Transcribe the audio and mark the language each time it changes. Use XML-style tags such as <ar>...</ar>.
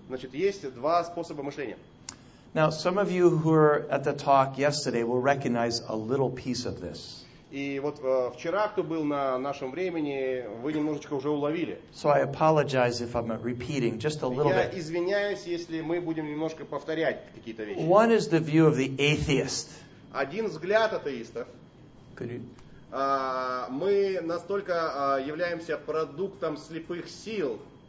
<ru>Значит, есть два способа мышления.</ru> <en>Now, some of you who were at the talk yesterday will recognize a little piece of this.</en> <ru>И вот вчера, кто был на нашем времени, вы немножечко уже уловили.</ru> <en>So I apologize if I'm repeating just a little bit.</en> <ru>Я извиняюсь, если мы будем немножко повторять какие-то вещи.</ru> <en>One is the view of the atheist.</en> <ru>Один взгляд атеистов. Мы настолько являемся продуктом слепых сил.</ru>